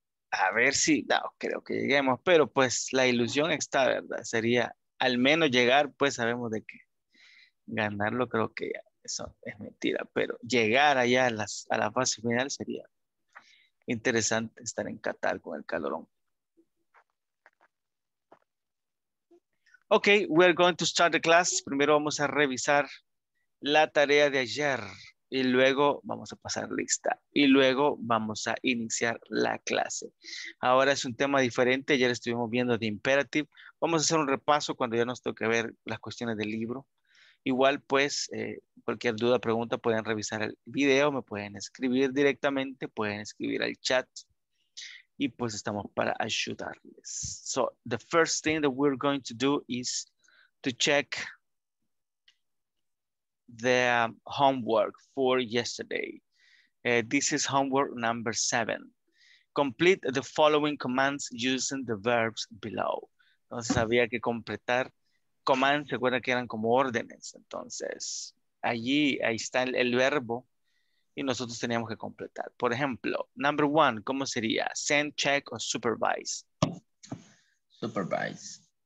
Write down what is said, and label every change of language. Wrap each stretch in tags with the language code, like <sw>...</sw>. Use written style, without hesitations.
<es>A ver si, no, creo que lleguemos, pero pues la ilusión está, ¿verdad? Sería... Al menos llegar, pues sabemos de que ganarlo creo que ya, eso es mentira. Pero llegar allá a la fase final sería interesante estar en Qatar con el calorón.</es> <en>Ok, we are going to start the class.</en> <es>Primero vamos a revisar la tarea de ayer. Y luego vamos a pasar lista. Y luego vamos a iniciar la clase. Ahora es un tema diferente. Ayer estuvimos viendo The Imperative. Vamos a hacer un repaso cuando ya nos toque ver las cuestiones del libro. Igual, pues, cualquier duda, pregunta, pueden revisar el video. Me pueden escribir directamente. Pueden escribir al chat. Y pues estamos para ayudarles.</es> <en>So, the first thing that we're going to do is to check the homework for yesterday. This is homework number 7. Complete the following commands using the verbs below.</en> <es>Entonces había que completar commands, recuerda que eran como órdenes. Entonces ahí está el verbo y nosotros teníamos que completar. Por ejemplo, number 1, ¿cómo sería?</es> <en>Send, check</en> <es>o</es> <en>supervise. Supervise.</en>